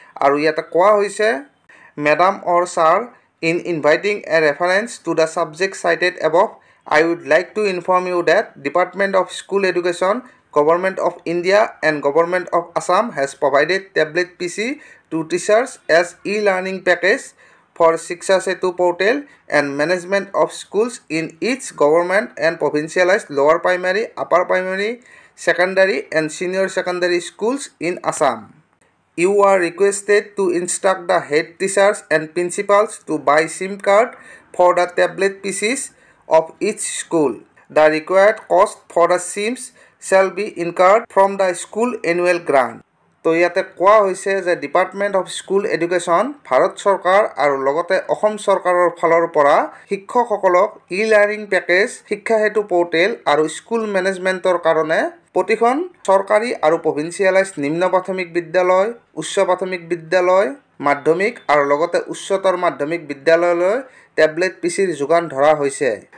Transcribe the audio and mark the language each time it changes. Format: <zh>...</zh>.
<as>আৰু ইয়াতে কোৱা হৈছে</as> <en>Madam or sir, in inviting a reference to the subject cited above, I would like to inform you that department of school education, government of India and government of Assam has provided tablet PC to teachers as e learning package for Shiksha Setu portal and management of schools in each government and provincialized lower primary, upper primary, secondary and senior secondary schools in Assam. You are requested to instruct the head teachers and principals to buy SIM card for the tablet PCs of each school. The required cost for the SIMs shall be incurred from the school annual grant.</en> <as>তো ইয়াতে কোৱা হৈছে যে department of school education, Bharat চৰকাৰ আৰু লগতে অসম চৰকাৰৰ ফালৰ পৰা শিক্ষকসকলক ই লাৰ্ণিং পেকেজ, শিক্ষা হেতু পৰ্টেল আৰু স্কুল মেনেজমেণ্টৰ কাৰণে প্ৰতিখন চৰকাৰী আৰু প্ৰভিঞ্চিয়েলাইজ নিম্ন প্ৰাথমিক বিদ্যালয়, উচ্চ প্ৰাথমিক বিদ্যালয়, মাধ্যমিক আৰু লগতে উচ্চতৰ মাধ্যমিক বিদ্যালয়লৈ টেবলেট পিচিৰ যোগান ধৰা হৈছে।</as>